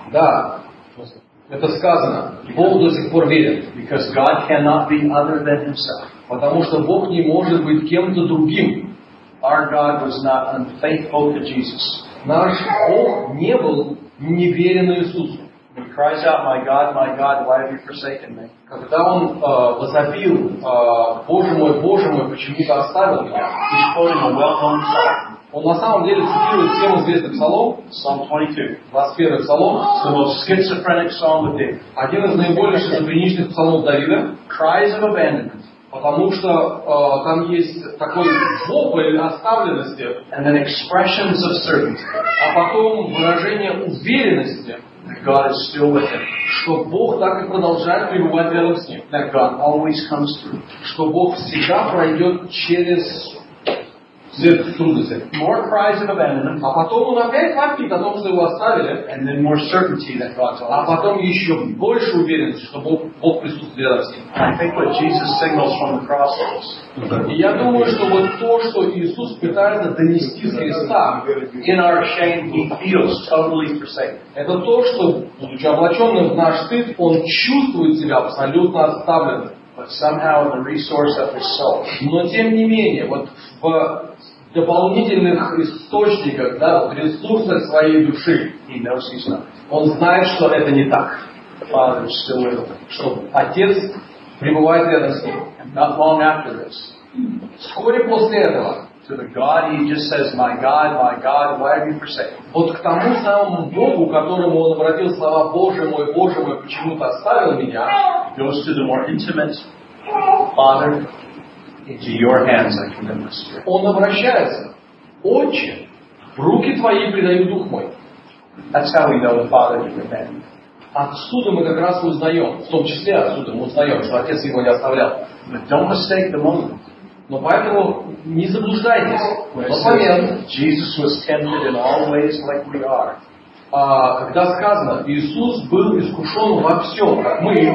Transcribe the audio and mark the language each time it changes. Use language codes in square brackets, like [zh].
[ru] Да. Это сказано. Бог до сих пор верен. [en] Because God cannot be other than himself. [ru] Потому что Бог не может быть кем-то другим. [en] Our God was not unfaithful to Jesus. [ru] Наш Бог не был неверен Иисусу. [en] He cries out, my God, why have you forsaken me? [ru] Когда он возопил, Боже мой, почему ты оставил меня? [en] He's quoting a well-known psalm. [ru] Он на самом деле цитирует всем известный псалом. [en] Psalm 22. [ru] 21 псалом. [en] It's the most schizophrenic psalm of David. [ru] Один из наиболее шизофреничных псалмов Давида. [en] Cries of abandonment. [ru] Потому что там есть такой вопль оставленности. [en] And then expressions of certainty. [ru] А потом выражение уверенности. [en] That God is still with him. [ru] Что Бог так и продолжает пребывать рядом с ним. [en] That God always comes through. [ru] Что Бог всегда пройдет через трудности. [en] More cries of abandonment. [ru] А потом он опять вопит о том, что его оставили. [en] And then more certainty that God's always. [ru] А потом еще больше уверенности, что Бог присутствует рядом с ним. [en] I think what Jesus signals from the cross is. [ru] И я думаю, что вот то, что Иисус пытается донести с креста, [en] in our shame, he feels totally forsaken. [ru] Это то, что, будучи облаченным в наш стыд, он чувствует себя абсолютно оставленным. [en] But somehow the resource of his soul. [ru] Но тем не менее, вот в дополнительных источниках, да, в ресурсах своей души, [en] he knows he's not. [ru] Он знает, что это не так. [en] Father is still with him. [ru] Что отец пребывает рядом с ним. [en] Not long after this. [ru] Вскоре после этого. [en] To the God, he just says, my God, why have you forsaken? [ru] Вот к тому самому Богу, которому он обратил слова, Боже мой, почему ты оставил меня? [en] Goes to the more intimate Father, into your hands I commit my spirit. [ru] Он обращается, Отче, в руки твои предаю дух мой. [en] That's how we know the Father is repentant. [ru] Отсюда мы как раз узнаем, в том числе отсюда мы узнаем, что отец его не оставлял. [en] But don't mistake the moment. [ru] Но поэтому не заблуждайтесь. Но момент, [en] Jesus was tempted in all ways like we are. [ru] Когда сказано, Иисус был искушен во всем, как мы.